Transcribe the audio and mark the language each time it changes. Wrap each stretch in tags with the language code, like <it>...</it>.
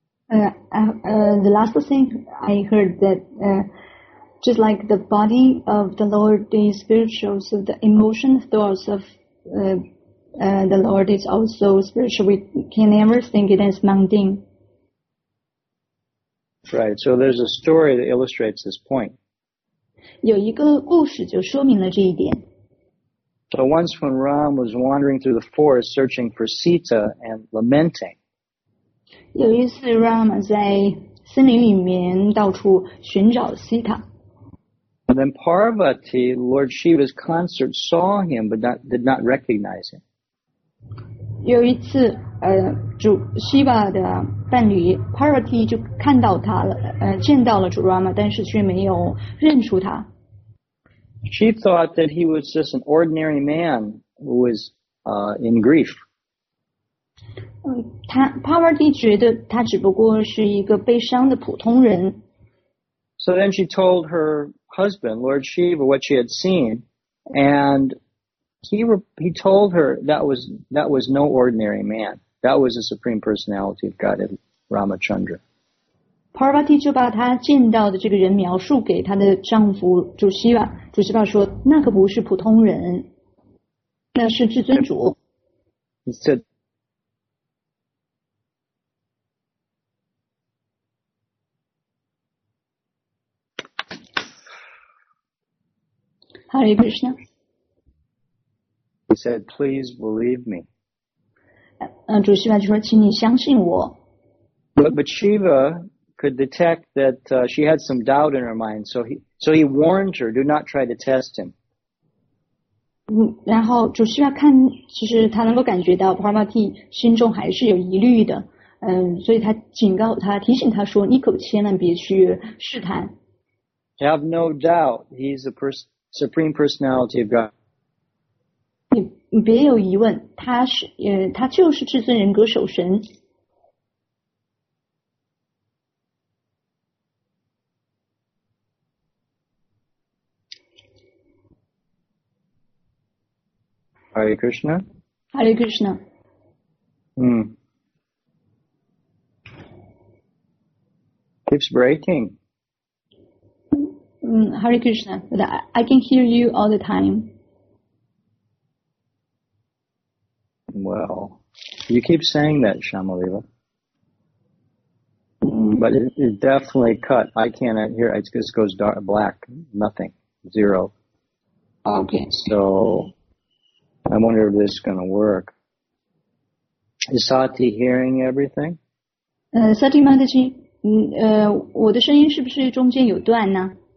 <en>The last thing I heard that just like the body of the Lord is spiritual, so the emotion thoughts of the Lord is also spiritual. We can never think it as mundane. Right, so there's a story that illustrates this point.</en> <zh>有一个故事就说明了这一点。</zh> <en>So once when Ram was wandering through the forest searching for Sita and lamenting.</en> <zh>有一次 Ram 在森林里面到处寻找 Sita.</zh> <en>And then Parvati, Lord Shiva's consort, saw him but did not recognize him.</en> <zh>有一次主 Shiva 的伴侣 Parvati 就看到他了，见到了主 Rama， 但是却没有认出他。</zh> <en>She thought that he was just an ordinary man who was in grief.</en> <zh>Parvati 觉得他只不过是一个悲伤的普通人。</zh> <en>So then she told her husband, Lord Shiva, what she had seen, and he told her that was no ordinary man. That was the Supreme Personality of Godhead, Ramachandra.</en> <zh>Parvati 就把他见到的这个人描述给他的丈夫主希瓦。主希瓦说，那可不是普通人，那是至尊主。</zh> <en>He said, Hare Krishna. He said, please believe me.</en> <zh>主希瓦就说请你相信我。</zh> <en>But Shiva could detect that she had some doubt in her mind, so he warned her, do not try to test him.</en> <zh>然后主希瓦看其实他能够感觉到 Parvati 心中还是有疑虑的，所以他警告他提醒他说你可千万别去试探。</zh> <en>Have no doubt, he's the Supreme Personality of God.</en> <zh>别有疑问，他是他就是至尊人格守神。</zh> <en>Hare Krishna. Hare Krishna. Keeps breaking. Hare Krishna. I can hear you all the time. Well, you keep saying that, Shyamalila. But it definitely cut. I can't hear. It just goes dark, black, nothing, zero. Okay. So I wonder if this is going to work. Is Sati hearing everything?</en> <zh>Sati Mataji, 我的声音是不是中间有断呢?</zh>